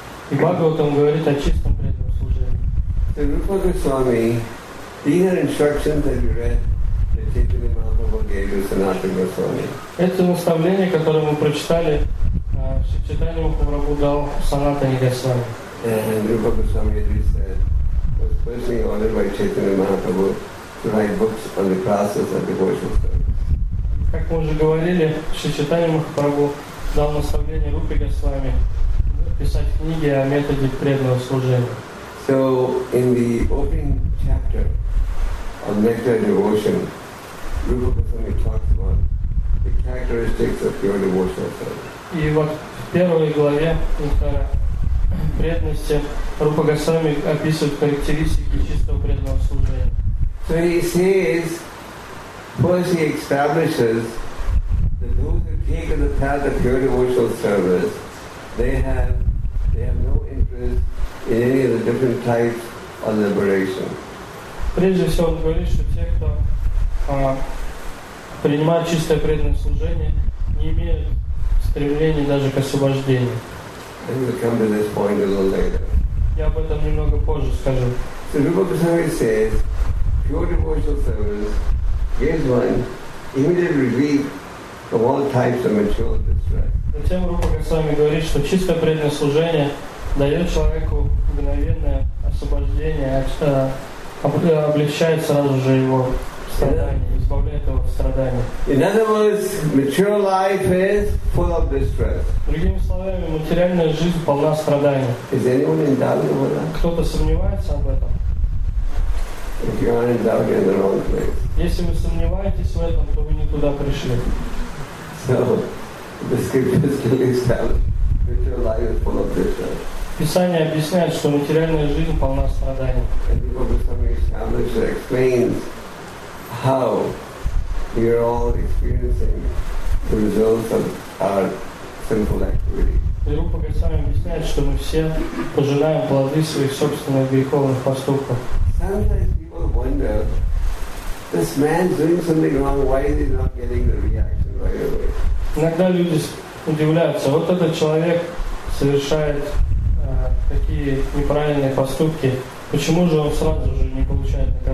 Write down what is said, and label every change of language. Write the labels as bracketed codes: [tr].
[ru] И Бхагаватам говорит о чистом преданном служении. [en] Rupa Goswami, these are instructions that you read that Chaitanya Mahaprabhu gave to Sanatana Goswami. [ru] Это наставление, которое мы прочитали, Шри Чайтанья Махапрабху дал Санатане Госвами. [en] And Rupa Goswami, as we said, was personally ordered by Chaitanya Mahaprabhu to write books on the process of devotional service. [ru] Как мы уже говорили, Шри Чайтанья Махапрабху дал наставление Рупе Госвами писать книги о методе преданного служения. [en] So in the opening chapter of Nectar Devotion, Rupa Goswami talks about the characteristics of pure devotional service. [ru] И вот в первой главе Нектара преданности Рупа Госвами описывает характеристики чистого преданного служения. [en] So he says, first he establishes that those who take the path of pure devotional service, they have no interest in any of the different types of liberation. [ru] Прежде всего, он говорит, что те, кто принимает чистое преданное служение, не имеют стремления даже к освобождению. [en] We'll come to this point a little later. [ru] Я об этом немного позже скажу. [en] So Rupa Goswami says, pure devotional service gives one immediate relief from all types of material distress. [ru] Затем Рупа Госвами говорит, что чистое преданное служение дает человеку мгновенное освобождение, облегчает сразу же его страдания, избавляет его от страдания. [en] In other words, material life is full of distress. [ru] Другими словами, материальная жизнь полна страданий. [en] Is anyone in doubt about that? [ru] Кто-то сомневается об этом? [en] If you are in doubt, you're in the wrong place. [ru] Если вы сомневаетесь в этом, то вы не туда пришли. [en] The scriptures clearly establish material life is full of distress. [ru] Писание объясняет, что материальная жизнь полна страданий. [en] And Rupa Goswami establishes, explains how we are all experiencing the results of our sinful activity. [ru] И Рупа Госвами объясняет, что мы все пожинаем плоды своих собственных греховных поступков. [en] Sometimes people wonder, this man is doing something wrong. Why is he not getting the reaction right away? [ru] Иногда люди удивляются, вот этот человек совершает такие неправильные поступки, почему же он сразу же не получает